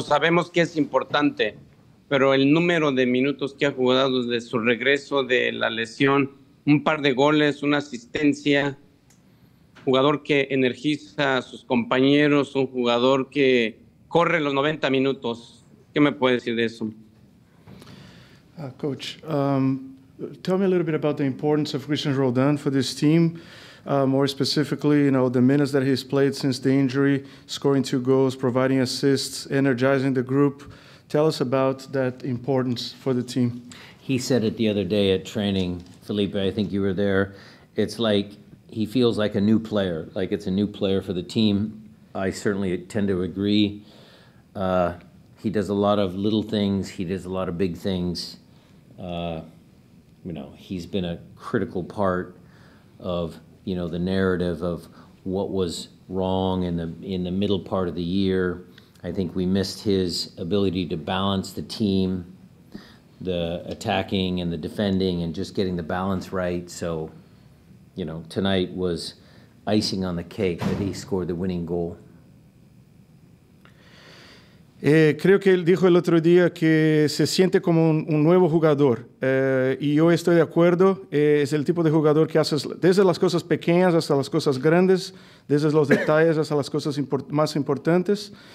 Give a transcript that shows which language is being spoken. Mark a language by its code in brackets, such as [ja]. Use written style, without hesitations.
[es] Sabemos que es importante, pero el número de minutos que ha jugado desde su regreso de la lesión, un par de goles, una asistencia, jugador que energiza a sus compañeros, un jugador que corre los 90 minutos. ¿Qué me puede decir de eso? [en] Coach, tell me a little bit about the importance of Cristian Roldán for this team. More specifically, you know, the minutes that he's played since the injury, scoring two goals, providing assists, energizing the group. Tell us about that importance for the team. He said it the other day at training. Felipe, I think you were there. It's like he feels like a new player, like it's a new player for the team. I certainly tend to agree. He does a lot of little things. He does a lot of big things. You know, he's been a critical part of, you know, the narrative of what was wrong in the middle part of the year. I think we missed his ability to balance the team, the attacking and the defending, and just getting the balance right. So, you know, tonight was icing on the cake that he scored the winning goal? [es] Creo que él dijo el otro día que se siente como un nuevo jugador. Y yo estoy de acuerdo. Es el tipo de jugador que hace desde las cosas pequeñas hasta las cosas grandes, desde los detalles hasta las cosas más importantes.